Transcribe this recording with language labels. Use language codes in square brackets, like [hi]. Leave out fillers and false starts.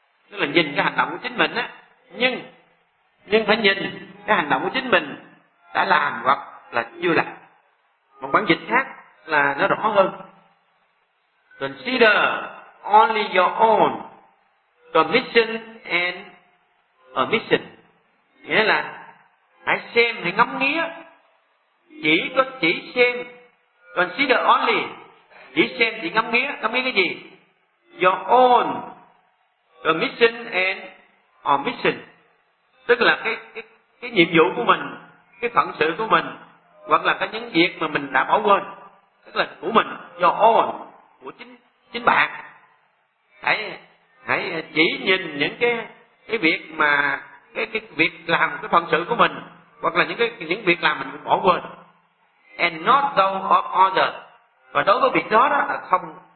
[vi] Tức là nhìn cái hành động của chính mình á, nhưng phải nhìn cái hành động của chính mình đã làm hoặc là chưa làm. Một bản dịch khác là nó rõ hơn. [en] Consider only your own commission and omission. [vi] Nghĩa là hãy xem, hãy ngắm nghía. Chỉ có chỉ xem. [en] Consider only. [vi] Chỉ xem, chỉ ngắm nghía. Ngắm nghía cái gì? [en] Your own commission and omission. [vi] Tức là cái nhiệm vụ của mình, cái phận sự của mình, hoặc là cái những việc mà mình đã bỏ quên. Tức là của mình, [en] your own, [vi] của chính bạn. Hãy chỉ nhìn những cái việc mà cái việc làm, cái phận sự của mình, hoặc là những việc làm mình bỏ quên. [en] And not those of others. [vi] Và đối với việc đó là không